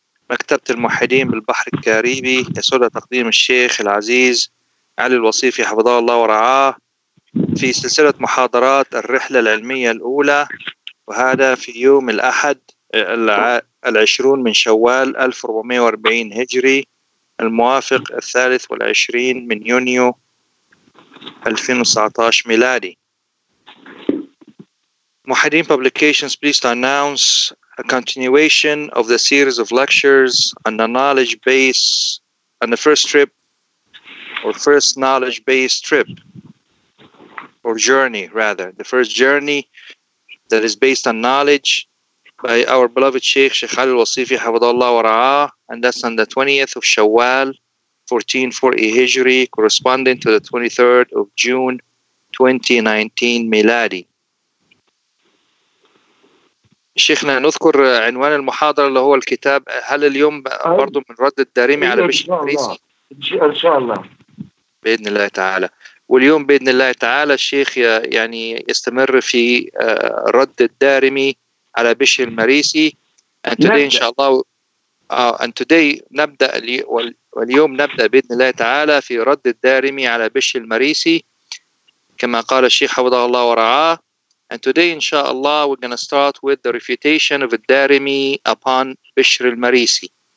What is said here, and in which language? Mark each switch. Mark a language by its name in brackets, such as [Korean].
[Arabic] مكتبة الموحدين بالبحر الكاريبي يسر تقديم الشيخ العزيز علي الوصيفي حفظه الله ورعاه في سلسلة محاضرات الرحلة العلمية الأولى، وهذا في يوم الأحد 20 من شوال 1440 هجري الموافق 23 من يونيو 2019 ميلادي. [English] Muhaddin Publications pleased to announce a continuation of the series of lectures on the knowledge base on the first trip or first knowledge base trip or journey rather the first journey that is based on knowledge by our beloved Sheikh Sheikh Ali Al-Wasifi Hafidhahullah wa Ra'ah, and that's on the 20th of Shawwal 1440 Hijri, corresponding to the 23rd of June 2019 Miladi. [Arabic] شيخنا نذكر عنوان المحاضرة اللي هو الكتاب، هل اليوم برضو من رد الدارمي على بشر الفريسي؟ إن شاء الله بإذن الله تعالى. واليوم بإذن الله تعالى الشيخ يعني يستمر في رد الدارمي على بشر المريسي. [English] And today [Arabic] إن شاء الله [English] and today [Arabic] نبدأ واليوم نبدأ بإذن الله تعالى في رد الدارمي على بشر المريسي كما قال الشيخ حفظه الله ورعاه. [English] And today, inshallah, we're going to start with the refutation of Ad-Darimi upon Bishr al-Marisi.